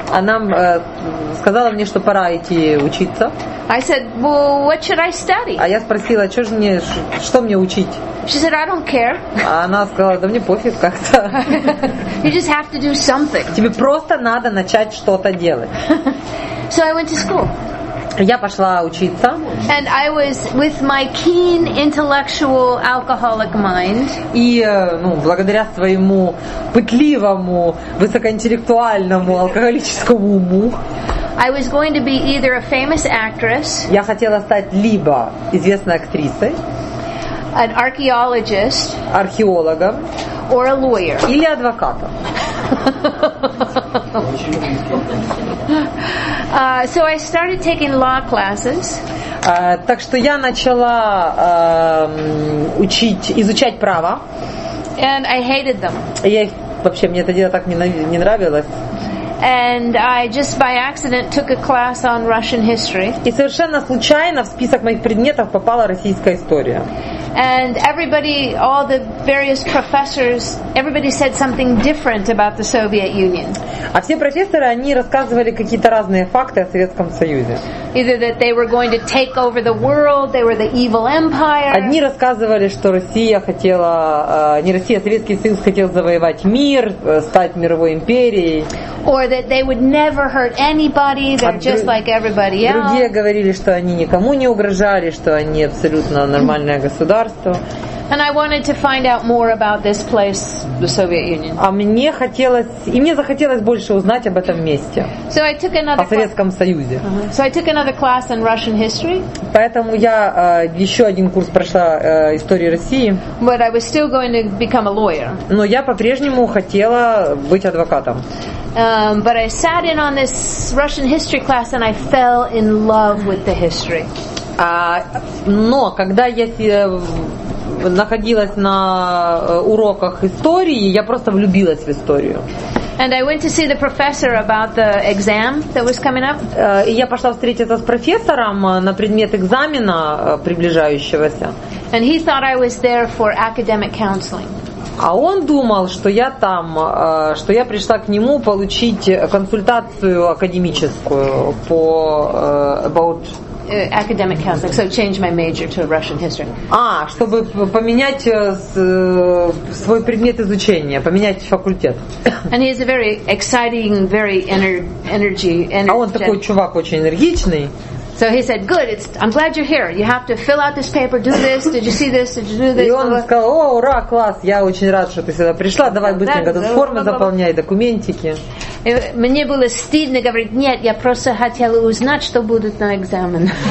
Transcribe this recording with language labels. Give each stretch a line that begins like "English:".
Russian: Она сказала мне, что пора идти учиться.
English: I said, "Well, what should I study?"
Russian: А я спросила, что же мне, что мне учить?
English: She said, "I don't care."
Russian: А она сказала, да мне пофиг как-то.
English: You just have to do something.
Russian: Тебе просто надо начать что-то делать.
English: So I went to school.
Russian: Я пошла учиться.
English: And I was with my keen intellectual alcoholic mind.
Russian: И, ну, благодаря своему пытливому, высокоинтеллектуальному алкоголическому уму.
English: I was going to be either a famous actress.
Russian: Я хотела стать либо известной актрисой.
English: An archaeologist.
Russian: Археологом.
English: Or a lawyer.
Russian: Или адвокатом.
English: So I started taking law classes.
Russian: Так что я начала изучать право.
English: And I hated them.
Russian: Вообще мне это дело так не нравилось.
English: And I just by accident took a class on Russian history.
Russian: И совершенно случайно в список моих предметов попала российская история.
English: And everybody, all the various professors, everybody said something different about the Soviet Union.
Russian: А все профессоры, они рассказывали какие-то разные факты о Советском Союзе.
English: Either that they were going to take over the world, they were the evil empire.
Russian: Одни рассказывали, что Россия хотела, не Россия, Советский Союз хотел завоевать мир, стать мировой империей.
English: Or that they would never hurt anybody, they're just like everybody else.
Russian: Другие говорили, что они никому не угрожали, что они абсолютно нормальное государство.
English: And I wanted to find out more about this place, the Soviet Union.
Russian: А мне хотелось, и мне захотелось больше узнать об этом месте.
English: So I took another class.
Russian: О Советском Союзе.
English: So I took another class in Russian history.
Russian: Поэтому я еще один курс прошла истории России.
English: But I was still going to become a lawyer.
Russian: Но я по-прежнему хотела быть адвокатом.
English: But I sat in on this Russian history class and I fell in love with the history.
Russian: Но когда я находилась на уроках истории, я просто влюбилась в историю.
English: And I went to see the professor about the exam that was coming up.
Russian: И я пошла встретиться с профессором на предмет экзамена приближающегося.
English: And he thought I was there for academic counseling.
Russian: А он думал, что я там, что я пришла к нему получить консультацию академическую по
English: about academic counseling, so change my major to Russian history.
Russian: А, чтобы поменять свой предмет изучения, поменять факультет.
English: And he is a very exciting, very energy.
Russian: А он такой чувак очень энергичный.
English: So he said, "Good. I'm glad you're here. You have to fill out this paper. Do this. Did you see this? Did you do this?"
Russian: И он сказал: "О, ура, класс! Я очень рад, что ты сюда пришла. Давай быстренько тут формы заполняй, документики." Мне было стыдно говорить: "Нет, я просто хотела узнать, что будет на экзамен."